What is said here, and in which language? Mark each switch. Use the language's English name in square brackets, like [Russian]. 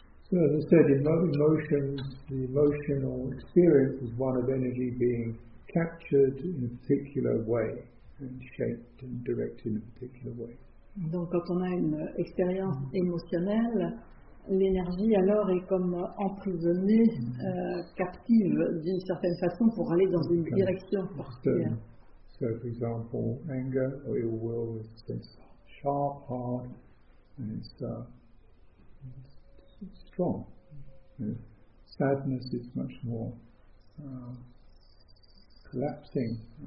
[English] So as I said, emotions, the emotional experience is one of energy being captured in a particular way and shaped and directed in a particular way. [French] Donc quand on a une expérience émotionnelle, l'énergie alors est comme emprisonnée, captive d'une certaine façon pour aller dans une direction particulière. [English] So for example, anger or ill will is this sharp, hard, and it's strong. Sadness is much more collapsing.